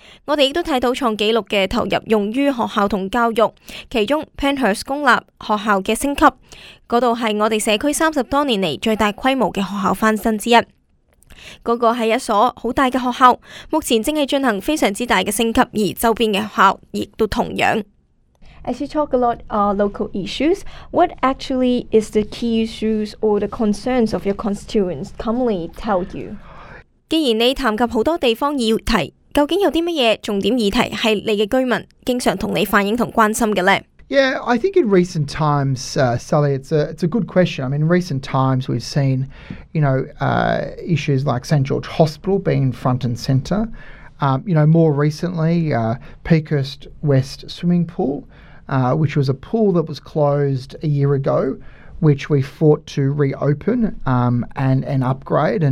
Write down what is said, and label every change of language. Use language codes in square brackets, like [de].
[zh] 我们也看到创纪录的投入用于学校和教育，其中 Penhurst 公立学校的升级，那里是我们社区30多年来最大规模的学校翻新之一。那个是一所很大的学校，目前正在进行非常大的升级，而周边的学校也都同样。 [en] As you talk a lot of local issues, what actually is the key issues or the concerns of your constituents commonly tell you? [zh] 既然你谈及很多地方议题，究竟有什么重点议题是你的居民经常跟你反映和关心的呢？ [en] Yeah, I think in recent times, Sally, it's a good question. I mean, in recent times we've seen, you know, issues like St. George Hospital being front and centre. You know, more recently, Peakhurst West Swimming Pool, which was a pool that was closed a year ago, which we fought to reopen and upgrade.